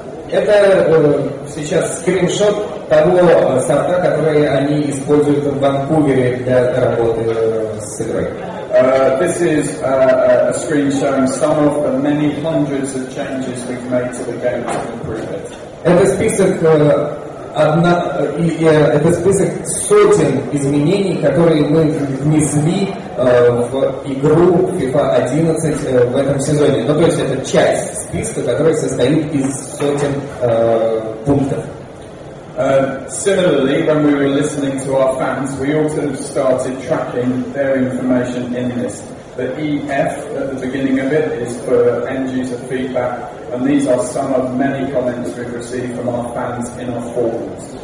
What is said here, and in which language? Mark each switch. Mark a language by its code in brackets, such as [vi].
[ru] Это сейчас скриншот того софта, который они используют в Ванкувере для работы с игрой. [en] This is a screen showing some of the many hundreds of changes we've made to the game to improve it. [ru] Это список сотен изменений, которые мы внесли в игру FIFA 11 в этом сезоне. Ну, то есть это часть списка, которая состоит из сотен пунктов. [en] Similarly, when we were listening to our fans, we also started tracking their information in this. The EF at the beginning of it is for end user feedback. And these are some of many comments we've received from our fans in our forums.